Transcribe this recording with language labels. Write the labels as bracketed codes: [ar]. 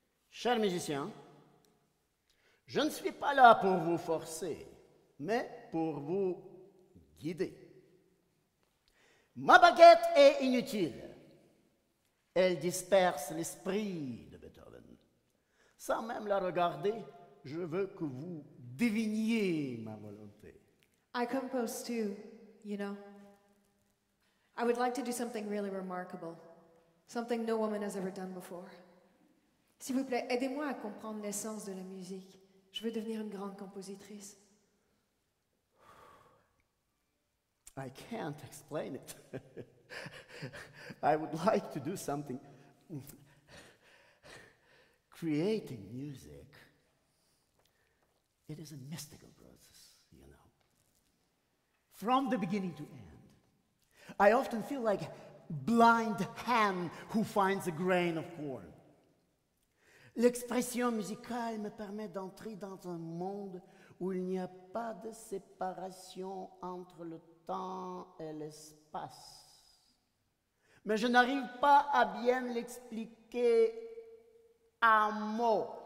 [fr] Chers musiciens, je ne suis pas là pour vous forcer, mais pour vous guider. Ma baguette est inutile. Elle disperse l'esprit de Beethoven. Sans même la regarder, je veux que vous deviniez ma volonté. [en] I compose too, you know. I would like to do something really remarkable, something no woman has ever done before. [fr] S'il vous plaît, aidez-moi à comprendre l'essence de la musique. Je veux devenir une grande compositrice. [en] I can't explain it. I would like to do something. Creating music, it is a mystical process, you know. From the beginning to end, I often feel like a blind hand who finds a grain of corn. [fr] L'expression musicale me permet d'entrer dans un monde où il n'y a pas de séparation entre le temps et l'espace. Mais je n'arrive pas à bien l'expliquer à mots.